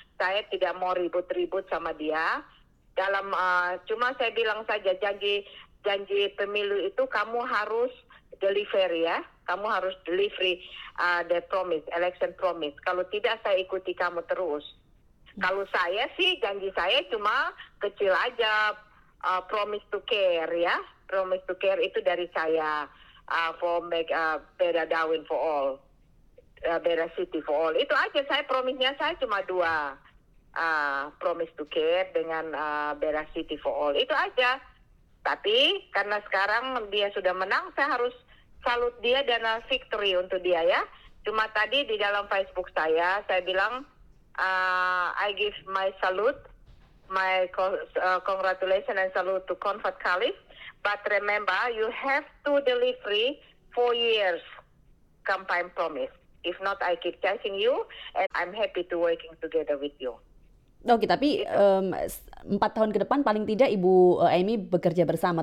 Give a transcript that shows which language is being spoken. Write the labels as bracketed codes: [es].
[id] Saya tidak mau ribut-ribut sama dia. Dalam cuma saya bilang saja, janji pemilu itu kamu harus deliver ya. Kamu harus [en] delivery the promise, election promise. [id] Kalau tidak, saya ikuti kamu terus. Kalau saya sih, janji saya cuma kecil aja. [en] Promise to care, ya. Promise to care [id] itu dari saya. [en] For make better Darwin for all. Better city for all. [id] Itu aja, saya promise-nya saya cuma 2. [en] Promise to care [id] dengan [en] better city for all. [id] Itu aja. Tapi karena sekarang dia sudah menang, saya harus salut dia dan victory untuk dia ya. Cuma tadi di dalam Facebook saya bilang [en] I give my salute, my congratulations and salute to Confat Khalif. But remember, you have to deliver 4 years campaign promise. If not, I keep chasing you and I'm happy to working together with you. [id] Okay, tapi 4 tahun ke depan paling tidak Ibu Amy bekerja bersama.